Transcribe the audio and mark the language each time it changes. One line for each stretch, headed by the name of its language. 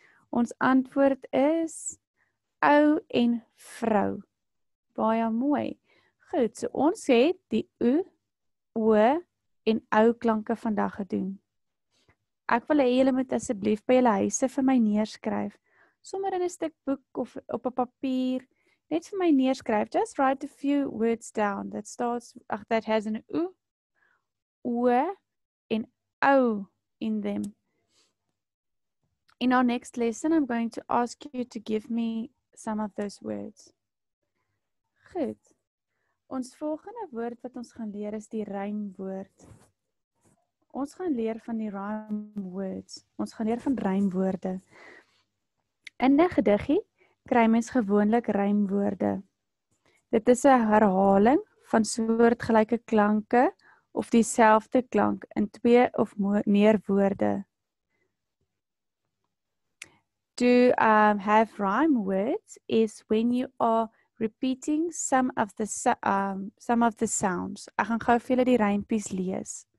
Afrikaans: Ons antwoord is O en vrou. Baie mooi. Goed, so ons het die U, O en ou klanke vandag gedoen. Ek wil hê julle moet asseblief by julle huise vir my neerskryf. Sommer in 'n stuk boek of op 'n papier. Net vir my neerskryf.
English: Just write a few words down that starts, that has an U, O en O in them. In our next lesson, I'm going to ask you to give me some of those words.
Afrikaans: Goed. Ons volgende woord wat ons gaan leer is die rymwoord. Ons gaan leer van die rhyme words. Ons gaan leer van rymwoorde. In 'n gediggie kry mens gewoonlik rymwoorde. Dit is 'n herhaling van soortgelyke klanke of dieselfde klank in twee of meer woorde.
English: To have rhyme words is when you are repeating some of the sounds.
Afrikaans: Ek gaan gou vir julle die rympies lees.